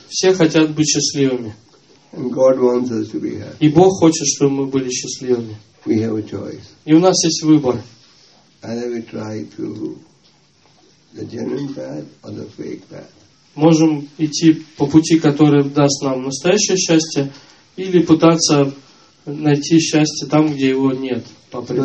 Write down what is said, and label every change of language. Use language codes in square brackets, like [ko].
[ru] Все хотят быть счастливыми. [en] And God wants us to be happy. [ru] И Бог хочет, чтобы мы были счастливыми. [en] We have a choice. [ru] И у нас есть выбор. [en] Either we try to the genuine path or the fake path. [ru] Можем идти по пути, который даст нам настоящее счастье, или пытаться найти счастье там, где его нет, по